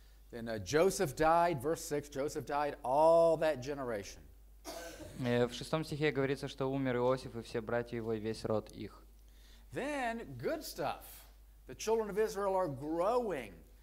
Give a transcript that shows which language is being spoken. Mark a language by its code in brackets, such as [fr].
[en] Then Joseph died, verse 6, Joseph died all that generation. [ru] В шестом стихе говорится, что умер Иосиф и все братья его и весь род их. [en] Then good stuff. The children of Israel are growing.